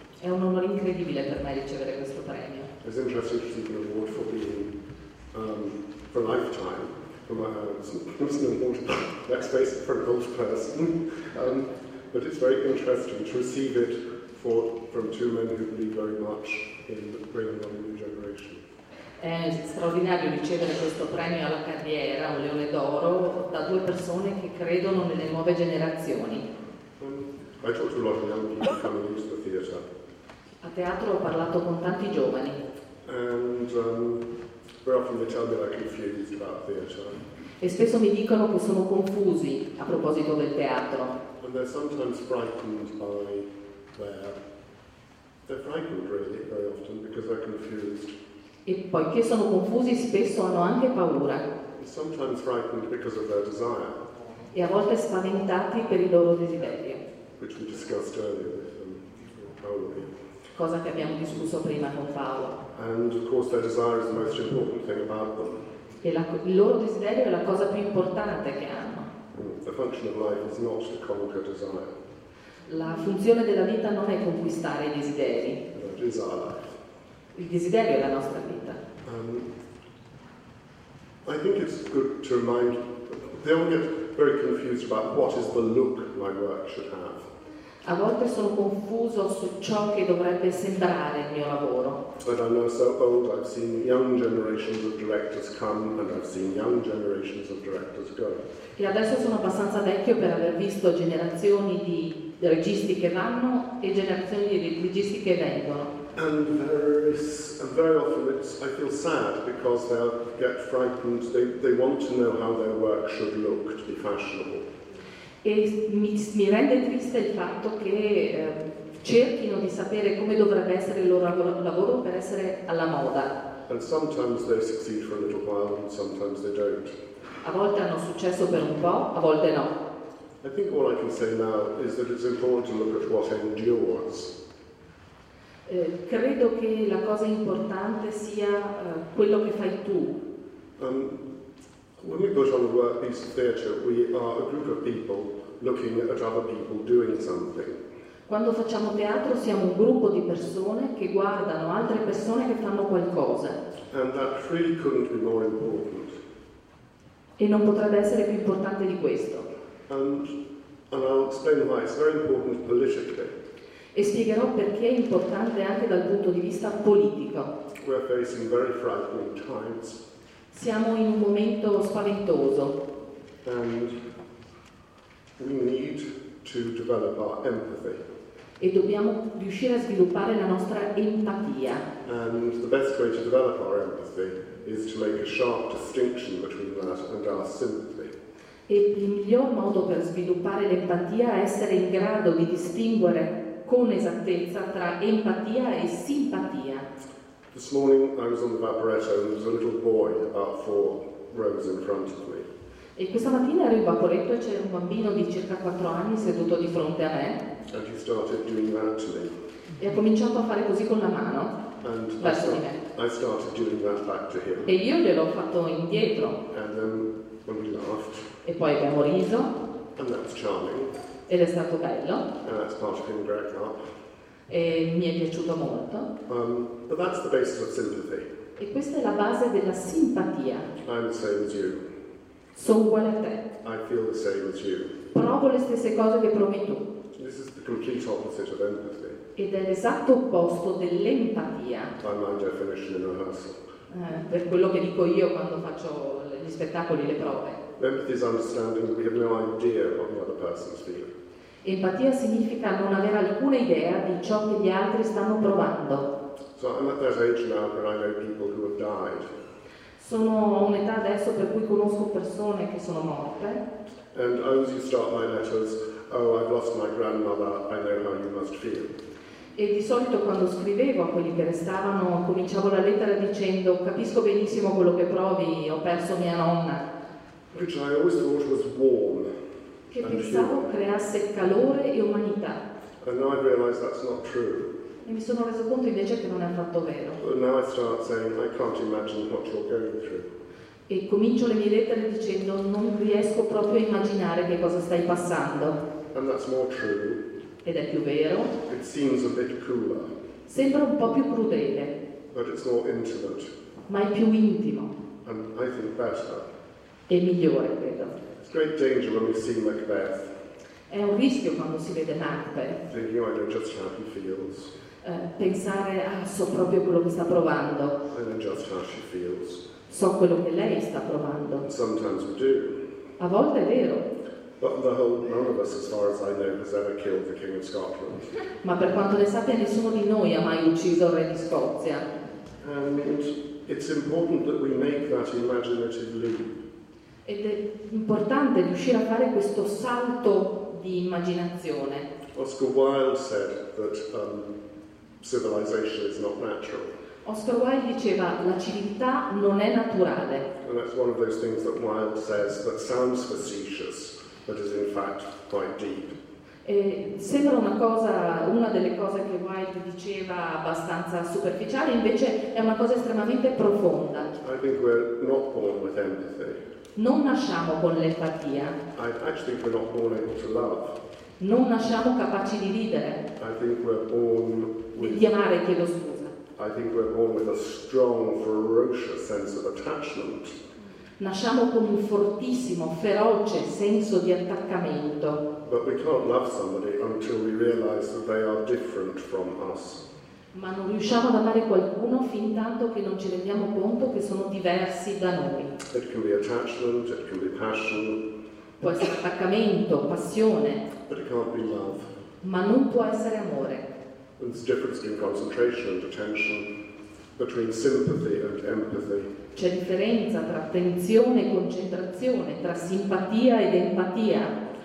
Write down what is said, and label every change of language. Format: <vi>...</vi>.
<it>È un onore incredibile per me ricevere questo premio.</it> <en>It's interesting to receive an award for being for a lifetime. But it's very interesting to receive it from two men who believe very much in bringing on a new generation.</en> <it>È straordinario ricevere questo premio alla carriera, un leone d'oro, da due persone che credono nelle nuove generazioni.</it> <en>I talk to a lot of young people coming into the theatre.</en> <it>A teatro ho parlato con tanti giovani.</it> <en>Very often they tell me they're confused about theatre.</en> <it>E spesso mi dicono che sono confusi a proposito del teatro.</it> <en>And they're sometimes frightened by they're frightened really very often because they're confused.</en> <it>E poiché sono confusi spesso hanno anche paura.</it> <en>And sometimes frightened because of their desire.</en> <it>E a volte spaventati per il loro desiderio.</it> <en>Which we discussed earlier with Paolo.</en> <it>Cosa che abbiamo discusso prima con Paolo.</it> <en>And of course their desire is the most important thing about them.</en> <it>E il loro desiderio è la cosa più importante che hanno.</it> <en>The function of life is not to conquer desire.</en> <it>La funzione della vita non è conquistare i desideri.</it> <en>It is our life.</en> <it>Il desiderio è la nostra vita.</it> <en>I think it's good to remind they all get very confused about what is the look my work should have.</en> <it>A volte sono confuso su ciò che dovrebbe sembrare il mio lavoro.</it> <en>But I'm so old, I've seen young generations of directors come and I've seen young generations of directors go.</en> <it>E adesso sono abbastanza vecchio per aver visto generazioni di registi che vanno e generazioni di registi che vengono.</it> <en>And there is, and very often it's, I feel sad because they get frightened, they want to know how their work should look to be fashionable.</en> <it>E mi rende triste il fatto che cerchino di sapere come dovrebbe essere il loro lavoro per essere alla moda.</it> <en>And sometimes they succeed for a little while, and sometimes they don't.</en> <it>A volte hanno successo per un po', a volte no.</it> <en>I think all I can say now is that it's important to look at what endures.</en> <it>Credo che la cosa importante sia quello che fai tu.</it> <en>When we put on a work piece of theatre, we are a group of people looking at other people doing something.</en> <it>Quando facciamo teatro siamo un gruppo di persone che guardano altre persone che fanno qualcosa.</it> <en>And that really couldn't be more important.</en> <it>E non potrebbe essere più importante di questo.</it> <en>And I'll explain why it's very important politically.</en> <it>E spiegherò perché è importante anche dal punto di vista politico.</it> <en>We're facing very frightening times.</en> <it>Siamo in un momento spaventoso.</it> <en>And we need to develop our empathy.</en> <it>E dobbiamo riuscire a sviluppare la nostra empatia.</it> <en>And the best way to develop our empathy is to make a sharp distinction between that and our sympathy.</en> <it>E il miglior modo per sviluppare l'empatia è essere in grado di distinguere con esattezza tra empatia e simpatia.</it> <en>This morning I was on the vaporetto and there was a little boy about 4 rows in front of me.</en> <it>E questa mattina ero in vaporetto e c'era un bambino di circa 4 anni seduto di fronte a me.</it> <en>And he started doing that to me.</en> <it>E ha cominciato a fare così con la mano verso di me.</it> <en>I started doing that back to him.</en> <it>E io glielo ho fatto indietro.</it> <en>And then when we laughed.</en> <it>E poi abbiamo riso.</it> <en>And that's charming.</en> <it>Ed è stato bello.</it> <en>And that's part of him growing up.</en> <it>E mi è piaciuto molto.</it> <en>But that's the basis of sympathy.</en> <it>E questa è la base della simpatia.</it> <en>I'm the same as you.</en> <it>Sono uguale a te.</it> <en>I feel the same as you.</en> <it>Provo le stesse cose che provi tu.</it> <en>This is the complete opposite of empathy.</en> <it>Ed è l'esatto opposto dell'empatia.</it> <en>By my definition in rehearsal.</en> <it>Per quello che dico io quando faccio gli spettacoli, le prove.</it> <en>Empathy is understanding that we have no idea what the other person is feeling.</en> <it>Empatia significa non avere alcuna idea di ciò che gli altri stanno provando.</it> <en>So I'm at that age now where I know people who have died.</en> <it>Sono a un'età adesso per cui conosco persone che sono morte.</it> <en>And I always start my letters, oh, I've lost my grandmother, I know how you must feel.</en> <it>E di solito quando scrivevo a quelli che restavano, cominciavo la lettera dicendo, capisco benissimo quello che provi, ho perso mia nonna.</it> <en>Which I always thought was warm.</en> <it>che pensavo creasse calore e umanità.</it> <en>And I realized that's not true.</en> <it>E mi sono reso conto invece che non è affatto vero.</it> <en>Now I start saying, I can't imagine what you're going through.</en> <it>E comincio le mie lettere dicendo non riesco proprio a immaginare che cosa stai passando.</it> <en>And that's more true.</en> <it>Ed è più vero.</it> <en>It seems a bit cooler.</en> <it>Sembra un po' più crudele.</it> <en>But it's more intimate.</en> <it>Ma è più intimo.</it> <en>And I think better.</en> <it>E migliore, credo.</it> <en>It's great danger when we see Macbeth.</en> <it>È un rischio quando si vede Macbeth.</it> <en>Thinking, I know just how he feels.</en> <it>Pensare, ah, so proprio quello che sta provando.</it> <en>I know just how she feels.</en> <it>So quello che lei sta provando.</it> <en>And sometimes we do.</en> <it>A volte è vero.</it> <en>But the whole, none of us, as far as I know, has ever killed the King of Scotland.</en> <it>Ma per quanto ne sappia, nessuno di noi ha mai ucciso il re di Scozia.</it> <en>And it's important that we make that imaginative leap.</en> <it>Ed è importante riuscire a fare questo salto di immaginazione.</it> <en>Oscar Wilde said that civilization is not natural.</en> <it>Oscar Wilde diceva la civiltà non è naturale.</it> <en>And that's one of those things that Wilde says that sounds facetious, but is in fact quite deep.</en> <it>E sembra una cosa, una delle cose che Wilde diceva abbastanza superficiale, invece è una cosa estremamente profonda.</it> <en>I think we're not born with empathy.</en> <it>Non nasciamo con l'empatia.</it> <en>I actually think we're not born able to love.</en> <it>Non nasciamo capaci di vivere.</it> <en>I think we're born with,</en> <it>di amare, chiedo scusa.</it> <en>I think we're born with a strong, ferocious sense of attachment.</en> <it>Nasciamo con un fortissimo, feroce senso di attaccamento.</it> <en>But we can't love somebody until we realize that they are different from us.</en> <it>Ma non riusciamo ad amare qualcuno fin tanto che non ci rendiamo conto che sono diversi da noi.</it> <en>It can be attachment, it can be passion.</en> <it>Può essere attaccamento, passione.</it> <en>But it can't be love.</en> <it>Ma non può essere amore.</it> <en>There's a difference in concentration and attention between sympathy and empathy.</en> <it>C'è differenza tra attenzione e concentrazione, tra simpatia ed empatia.</it>